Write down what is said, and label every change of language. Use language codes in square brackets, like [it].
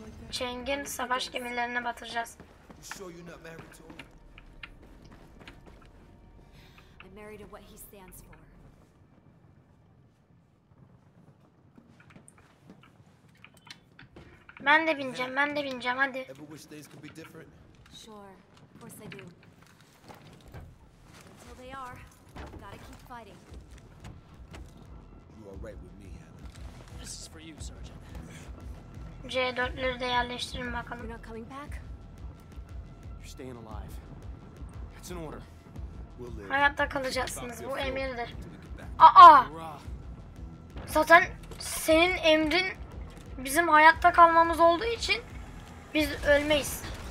[tr] Cheng'in savaş gemilerine batıracağız. [en] I'm married to what he stands for. [tr] Ben de bineceğim hadi. [en] Ever wish things could be different? Sure, of course I do. Until they are, gotta keep fighting. You are right with me, Hannah. This is for you, Sergeant. [tr] J4'leri de yerleştirin bakalım. [en] You're not coming back? You're staying alive. It's an order. We'll live. [tr] Hayatta kalacaksınız, bu emirdir. Aa! Zaten senin emrin bizim hayatta kalmamız olduğu için biz ölmeyiz.